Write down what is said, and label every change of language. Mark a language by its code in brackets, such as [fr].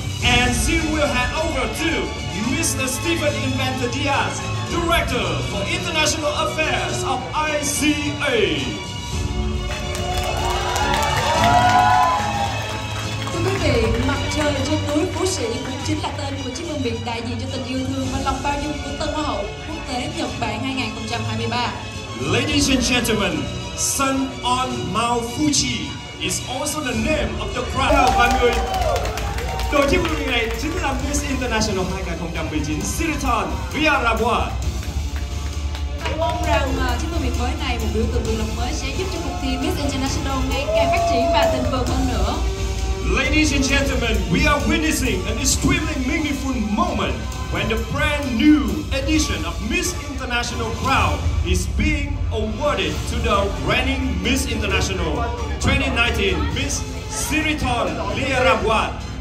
[en] And she will hand over to Mr. Stephen Inventor Diaz, director for international affairs of ICA. [vi] Mặt trời trên núi Phú Sĩ cũng chính là tên của chiếc vương miện đại diện cho tình yêu thương và lòng bao dung của Tân Hoa hậu Quốc tế Nhật Bản 2023. [en] Ladies and gentlemen, Sun on Mount Fuji is also the name of the crown. [vi] Chào mọi người, tổ chức vương miện này chính là Miss International 2019 Sireton Via Rabua. Hy vọng rằng chiếc vương miện mới này, một biểu tượng quyền lực mới, sẽ giúp cho cuộc thi Miss International ngày càng phát triển và thịnh vượng hơn nữa. [en] Ladies and gentlemen, we are witnessing an extremely meaningful moment when the brand new edition of Miss International crown is being awarded to the reigning Miss International 2019, Miss Sireton Lee Rabua.